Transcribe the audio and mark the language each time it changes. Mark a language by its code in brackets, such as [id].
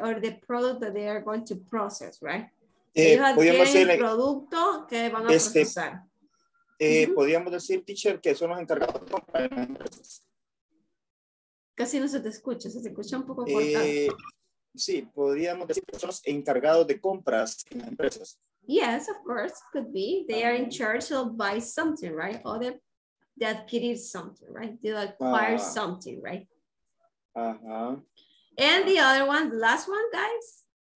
[en] Or the product that they are going to process, right? [es] Podríamos decir producto que van a procesar. Podríamos decir, teacher, que son los encargados de compra. Casi no se te escucha, se te escucha un poco cortado. Sí, podríamos decir que son los encargados de compras en las empresas. [en] Yes, of course, could be. They are in charge of buy something, right? Or they adquirir something, right? They acquire something, right? And the other one, the last one, guys?